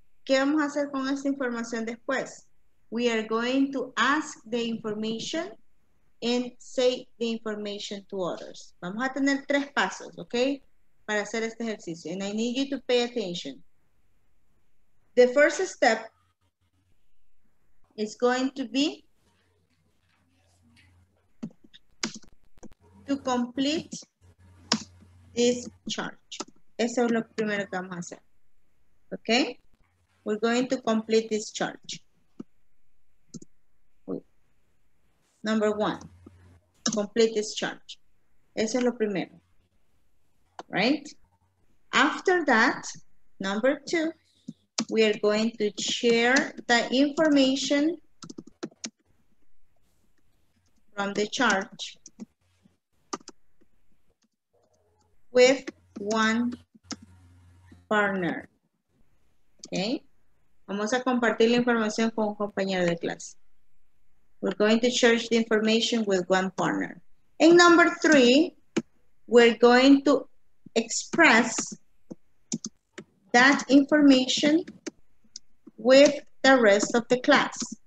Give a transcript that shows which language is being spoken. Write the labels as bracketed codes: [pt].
[es] ¿Qué vamos a hacer con esta información después? [en] We are going to ask the information and say the information to others. [es] Vamos a tener tres pasos, ¿ok? Para hacer este ejercicio. [en] And I need you to pay attention. The first step is going to be to complete this chart. [es] Eso es lo primero que vamos a hacer, ¿ok? [en] We're going to complete this chart. Number one, complete this chart. [es] Eso es lo primero, [en] right? After that, number two, we are going to share the information from the chart with one partner, okay? [es] Vamos a compartir la información con un compañero de clase. [en] We're going to share the information with one partner. In number three, we're going to express that information with the rest of the class.